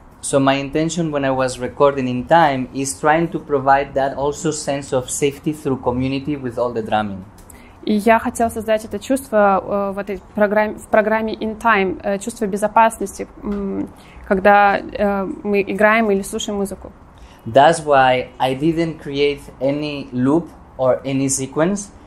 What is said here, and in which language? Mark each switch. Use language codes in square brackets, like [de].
[en] So my intention when I was recording in time is trying to provide that also sense of safety through community with all the drumming. [ru] И я хотел создать это чувство в этой программе, в программе In Time, чувство безопасности, когда мы играем или слушаем музыку. [en] That's why I didn't create any loop or any sequence.